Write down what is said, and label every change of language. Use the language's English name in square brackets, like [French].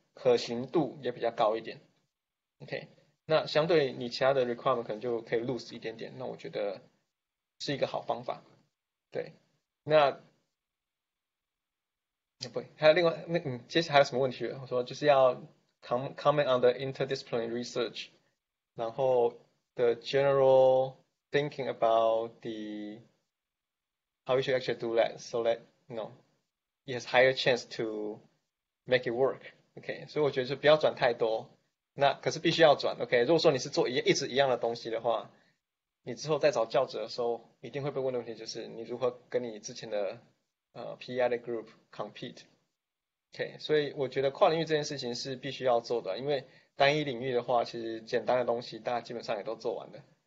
[Chinese] 可行度也比较高一点 ，OK， 那相对你其他的 requirement 可能就可以 loose 一点点，那我觉得是一个好方法，对，那。不，还有另外那接下来还有什么问题？我说就是要。 [English] Comment on the interdisciplinary research, 然后 the general thinking about the how you should actually do that, so that you know it has higher chance to make it work. [Chinese] Okay, 所以我觉得就不要转太多，那可是必须要转。 Okay, 如果说你是做一直一样的东西的话，你之后再找教职的时候，一定会被问的问题就是你如何跟你之前的PI 的 group compete。 Okay, 所以我觉得跨领域这件事情是必须要做的，因为单一领域的话，其实简单的东西大家基本上也都做完了。